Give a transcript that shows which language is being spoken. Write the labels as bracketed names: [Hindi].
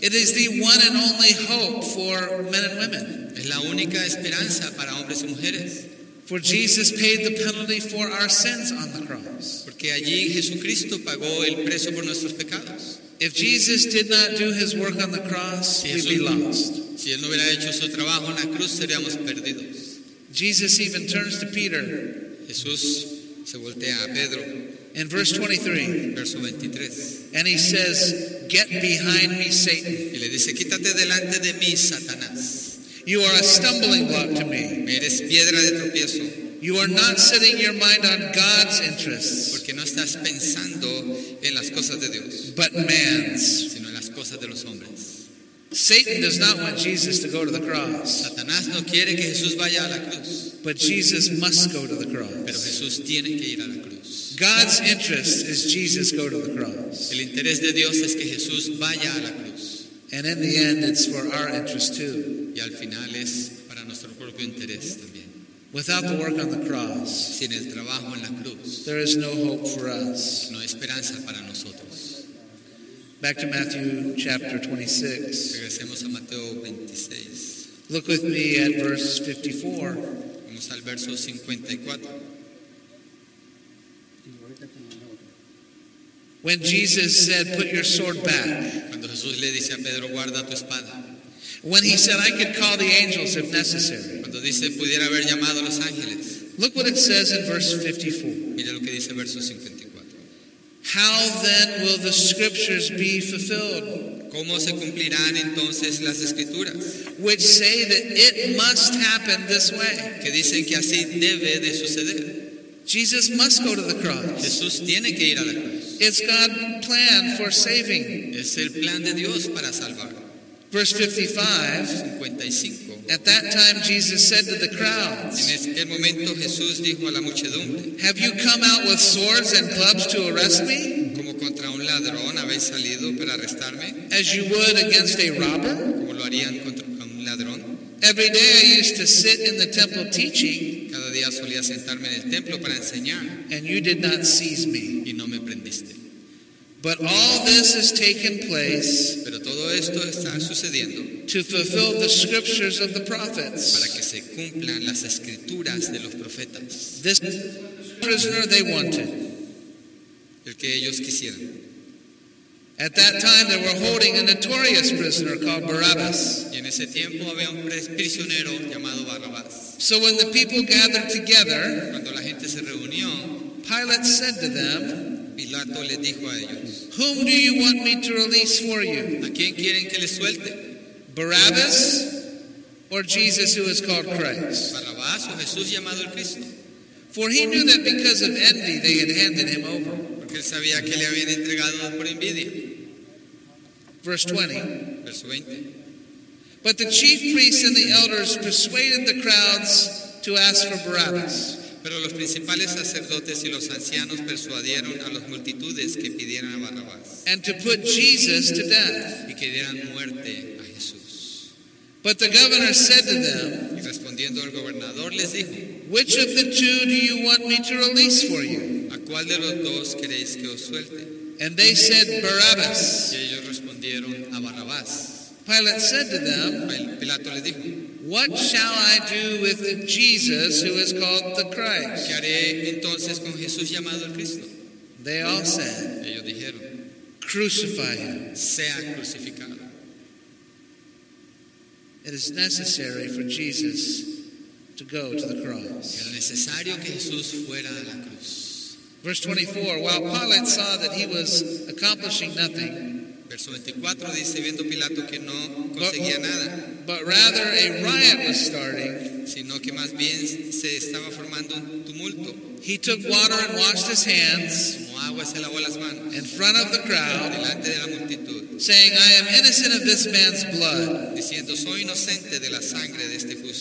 [English] It is the one and only hope for men and women. [Spanish] Es la única esperanza para hombres y mujeres. [English] For Jesus paid the penalty for our sins on the cross. [Spanish] Porque allí Jesucristo pagó el precio por nuestros pecados. [English] If Jesus did not do his work on the cross, [Spanish] si Jesús, [English] we'd be lost. [Spanish] Si él no hubiera hecho su trabajo en la cruz, seríamos perdidos. [English] Jesus even turns to Peter. [Spanish] Jesús se voltea a Pedro. [English] In verse 23, [Spanish] verso 23, [English] and he says, "Get behind me, Satan." [Spanish] Y le dice, quítate delante de mí, Satanás. [English] You are a stumbling block to me. [Spanish] Eres piedra de tropiezo. [English] You are not setting your mind on God's interests. [Spanish] Porque no estás pensando en las cosas de Dios. [English] But man's. [Spanish] Sino en las cosas de los hombres. [English] Satan does not want Jesus to go to the cross. [Spanish] Satanás no quiere que Jesús vaya a la cruz. [English] But Jesus must go to the cross. [Spanish] Pero Jesús tiene que ir a la cruz. [English] God's interest is Jesus go to the cross. [Spanish] El interés de Dios es que Jesús vaya a la cruz. [English] And in the end, it's for our interest too. [Spanish] Y al final es para propio interés también. [English] Without the work on the cross, [Spanish] sin el trabajo en la cruz, [English] there is no hope for us. [Spanish] No hay esperanza para nosotros. [English] Back to Matthew chapter 26. [Spanish] Regresemos a Mateo 26. [English] Look with me at verse 54. [Spanish] Vamos al verso 54. [English] When Jesus said, "Put your sword back." [Spanish] Cuando Jesús le dice a Pedro, guarda tu espada. [English] When he said, "I could call the angels if necessary." [Spanish] Cuando dice, pudiera haber llamado a los ángeles. [English] Look what it says in verse 54. [Spanish] Mira lo que dice el verso 54. [English] How then will the scriptures be fulfilled? [Spanish] ¿Cómo se cumplirán entonces las escrituras? [English] Which say that it must happen this way. [Spanish] Que dicen que así debe de suceder. [English] Jesus must go to the cross. [Spanish] Jesús tiene que ir a la cruz. [English] It's God's plan for saving. [Spanish] Es el plan de Dios para salvar. [English] Verse 55. At that time Jesus said to the crowds. [Spanish] En ese momento Jesús dijo a la muchedumbre. [English] Have you come out with swords and clubs to arrest me? [Spanish] Como contra un ladrón habéis salido para arrestarme? [English] As you would against a robber? [Spanish] Como lo harían contra un ladrón? [English] Every day I used to sit in the temple teaching. [Spanish] Cada día solía sentarme en el templo para enseñar. [English] And you did not seize me. [Spanish] Y no me prendiste. [English] But all this has taken place. [Spanish] Pero todo esto está sucediendo. [English] To fulfill the scriptures of the prophets. [Spanish] Para que se cumplan las escrituras de los profetas. [English] This prisoner they wanted. [Spanish] El que ellos quisieran. [English] At that time they were holding a notorious prisoner called Barabbas. [Spanish] Y en ese tiempo había un prisionero llamado Barrabás. [English] So when the people gathered together, [Spanish] cuando la gente se reunió, [English] Pilate said to them, [Spanish] Pilato le dijo a ellos, [English] whom do you want me to release for you? [Spanish] ¿A quién quieren que le suelte? [English] Barabbas or Jesus who is called Christ? [Spanish] Barabbas o Jesús llamado el Cristo. [English] For he knew that because of envy they had handed him over. [Spanish] Porque él sabía que le habían entregado por envidia. [English] Verse 20. [Spanish] Verso 20. [English] But the chief priests and the elders persuaded the crowds to ask for Barabbas. [Spanish] Pero los principales sacerdotes y los ancianos persuadieron a las multitudes que pidieran a Barabbas. [English] And to put Jesus to death. [Spanish] Y que dieran muerte a Jesús. [English] But the governor said to them, [Spanish] y respondiendo el gobernador les dijo, [English] which of the two do you want me to release for you? [Spanish] ¿A cuál de los dos queréis que os suelte? [English] And they said, Barabbas. [Spanish] Y ellos respondieron a Barabbas. [English] Pilate said to them, [Spanish] Pilato les dijo, [English] what shall I do with Jesus who is called the Christ? [Spanish] ¿Qué haré entonces con Jesús llamado el Cristo? [English] They all said, [Spanish] ellos dijeron, [English] crucify him. [Spanish] Sea crucificado. [English] It is necessary for Jesus to go to the cross. [Spanish] Era necesario que Jesús fuera a la cruz. [English] Verse 24, while Pilate saw that he was accomplishing nothing, [Spanish] verso 24 dice, viendo Pilato que no conseguía nada, [English] but rather a riot was starting, [Spanish] sino que más bien se estaba formando un tumulto. [English] He took water and washed his hands, [Spanish] como agua se lavó las manos, [English] in front of the crowd, [Spanish] delante de la multitud, [English] saying, I am innocent of this man's blood. [Spanish] Diciendo, soy inocente de la sangre de este justo.